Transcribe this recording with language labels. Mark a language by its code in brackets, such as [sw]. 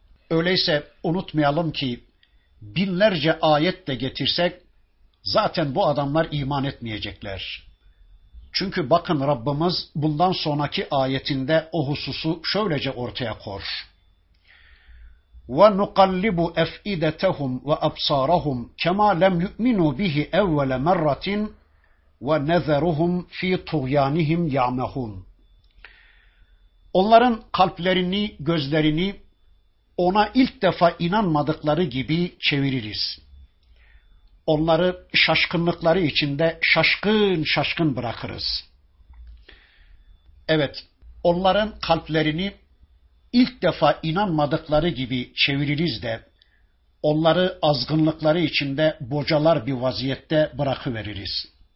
[tr] Öyleyse unutmayalım ki binlerce ayet de getirsek zaten bu adamlar iman etmeyecekler. Çünkü bakın Rabbimiz bundan sonraki ayetinde o hususu şöylece ortaya koyar. [ar] وَنُقَلِّبُ اَفْئِدَتَهُمْ وَأَبْصَارَهُمْ كَمَا لَمْ يُؤْمِنُوا بِهِ اَوَّلَ مَرَّةٍ وَنَذَرُهُمْ ف۪ي طُغْيَانِهِمْ يَعْمَهُونَ [tr] Onların kalplerini, gözlerini ona ilk defa inanmadıkları gibi çeviririz. Onları şaşkınlıkları içinde şaşkın şaşkın bırakırız. Evet, onların kalplerini ilk defa inanmadıkları gibi çeviririz de onları azgınlıkları içinde bocalar bir vaziyette bırakıveririz.